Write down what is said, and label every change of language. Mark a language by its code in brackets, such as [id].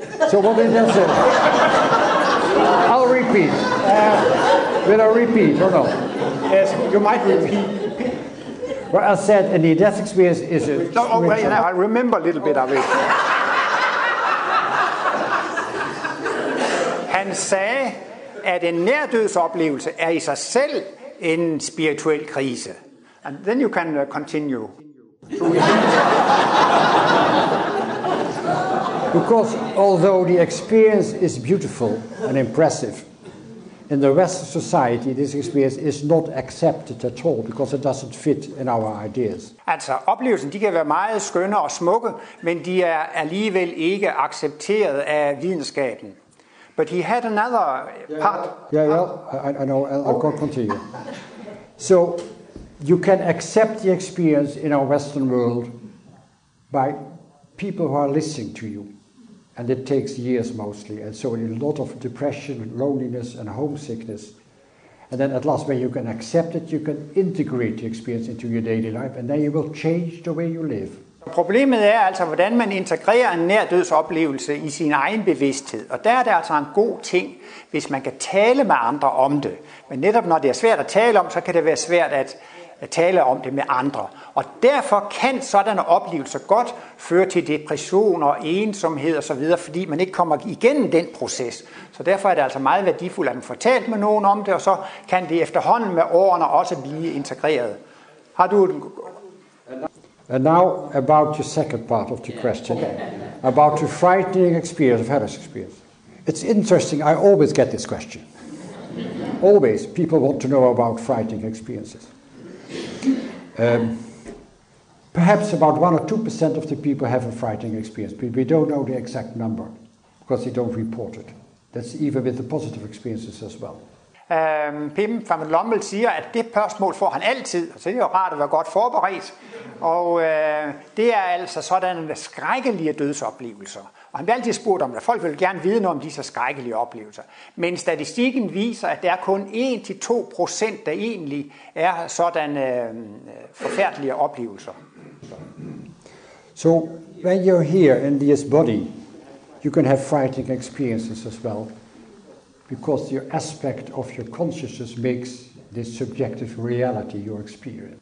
[en] So what did you say? I'll repeat. Will I repeat or no? Yes, you might repeat. What I said in the death experience is it? No, oh, well, yeah, I remember a little bit of it. [da] Han sagde, at en nærdødsoplevelse er i sig selv en spirituel krise. [en] And then you can continue. Because although the experience is beautiful and impressive, in the Western society, this experience is not accepted at all because it doesn't fit in our ideas. [da] Altså, oplevelsen, de kan være meget skønne og smukke, men de er alligevel ikke accepteret af videnskaben. [en] But he had another part. Yeah, I know. I'll go continue. So, you can accept the experience in our Western world by people who are listening to you. And it takes years mostly, and so a lot of depression, loneliness, and homesickness. And then at last, when you can accept it, you can integrate the experience into your daily life, and then you will change the way you live. [da] Problemet er altså, hvordan man integrerer en nærdødsoplevelse i sin egen bevidsthed. Og der er det altså en god ting, hvis man kan tale med andre om det. Men netop når det er svært at tale om, så kan det være svært at tale om det med andre. Og derfor kan sådanne oplevelser godt føre til depression og ensomhed og så videre, fordi man ikke kommer igennem den proces. Så derfor er det altså meget værdifuldt, at man fortalt med nogen om det, og så kan det efterhånden med årene også blive integreret. Har du den? [en] And now about your second part of the question. About the frightening experience of Harris experience. It's interesting, I always get this question. Always people want to know about frightening experiences. Perhaps about 1-2% of the people have a frightening experience, but we don't know the exact number because they don't report it. That's even with the positive experiences as well. [da] Pim van Lommel siger, at det spørgsmål får han altid, og så er det jo rart at være godt forberedt. Og det er altså sådan en skrækkelige dødsoplevelser. Og han bliver altid spurgt om det. Folk vil gerne vide noget om disse skrækkelige oplevelser. Men statistikken viser, at der er kun 1-2%, der egentlig er sådan forfærdelige oplevelser. [en] So when you're here in this body, you can have frightening experiences as well. Because your aspect of your consciousness makes this subjective reality your experience.